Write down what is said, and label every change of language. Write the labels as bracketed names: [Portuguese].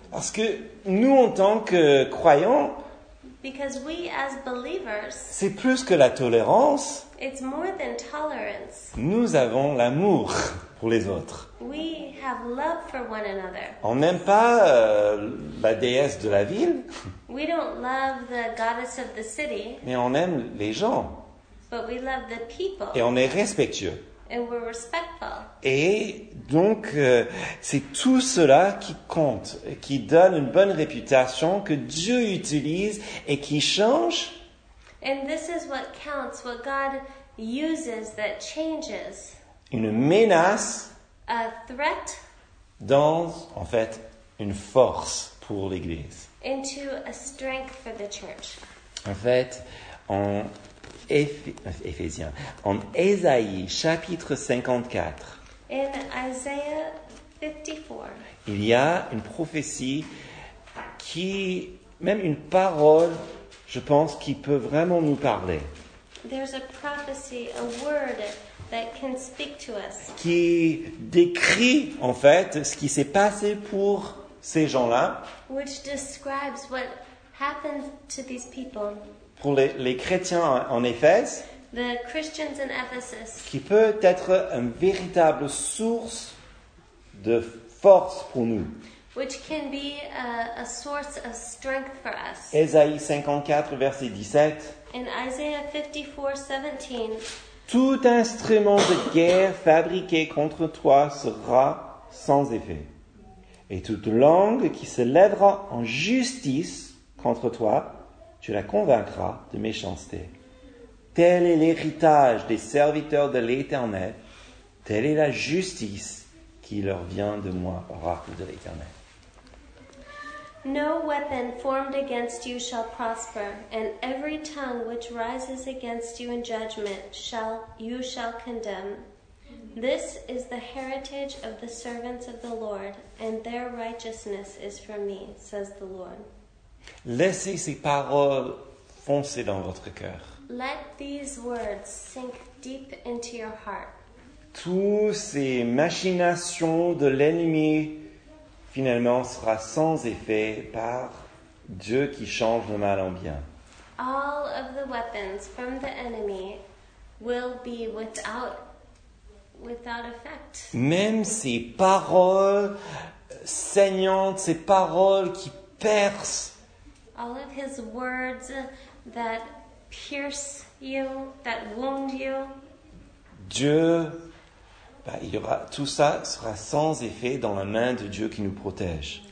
[French] Parce que nous, en tant que croyants, [English] because we as believers, [French] c'est plus que la tolérance. [English] It's more than tolerance. [French] Nous avons l'amour pour les autres. [English] We have love for one another. [French] On n'aime pas la déesse de la ville. [English] We don't love the goddess of the city. [French] Mais on aime les gens. [English] But we love the people. [French] Et on est respectueux. [English] And we're respectful. [French] Et donc, c'est tout cela qui compte, qui donne une bonne réputation que Dieu utilise et qui change. [English] And this is what counts, what God uses that changes. [French] Une menace. [English] A threat. [French] Dans, en fait, une force pour l'Église. [English] Into a strength for the church. [French] En fait, en Éphésiens, en Ésaïe, chapitre 54. [English] In Isaiah 54. [French] Il y a une prophétie qui, même une parole, je pense, qui peut vraiment nous parler. [English] There's a prophecy, a word that can speak to us. [French] Qui décrit, en fait, ce qui s'est passé pour ces gens-là. [English] Which describes what happened to these people. [French] Pour les chrétiens en Éphèse. [English] The Christians in Ephesus. [French] Qui peut être une véritable source de force pour nous. [English] Which can be a source of strength for us. [French] Ésaïe 54, verset 17. [English] In Isaiah 54, 17. [French] Tout instrument de guerre fabriqué contre toi sera sans effet. Et toute langue qui se lèvera en justice contre toi, tu la convaincras de méchanceté. Tel est l'héritage des serviteurs de l'Éternel, telle est la justice qui leur vient de moi, oracle de l'Éternel. [English] No weapon formed against you shall prosper, and every tongue which rises against you in judgment shall you condemn. This is the heritage of the servants of the Lord, and their righteousness is for me, says the Lord. [French] Laissez ces paroles foncer dans votre cœur. [English] Let these words sink deep into your heart. [French] Toutes ces machinations de l'ennemi finalement sera sans effet par Dieu qui change le mal en bien. [English] All of the weapons from the enemy will be without effect. [French] Même ces paroles saignantes, ces paroles qui percent. [English] All of his words that pierce you, that wound you. [French] Dieu, bah, il y aura, tout ça sera sans effet dans la main de Dieu qui nous protège.